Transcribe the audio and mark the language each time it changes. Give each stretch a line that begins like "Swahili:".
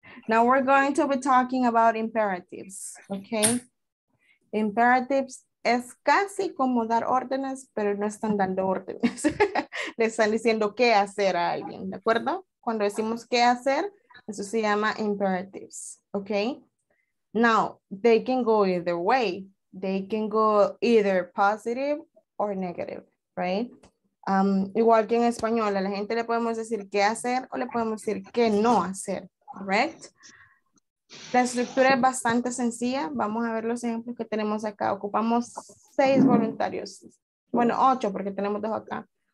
English: Now we're going to be talking about imperatives, okay?
Spanish: Imperatives es casi como dar órdenes, pero no están dando órdenes. Le están diciendo qué hacer a alguien, ¿de acuerdo? Cuando decimos qué hacer, eso se llama imperatives, okay?
English: Now, they can go either way. They can go either positive or negative, right?
Spanish: Igual que en español, a la gente le podemos decir qué hacer o le podemos decir qué no hacer, correct? La estructura es bastante sencilla. Vamos a ver los ejemplos que tenemos acá. Ocupamos 6 voluntarios. Bueno, 8 porque tenemos 2 acá.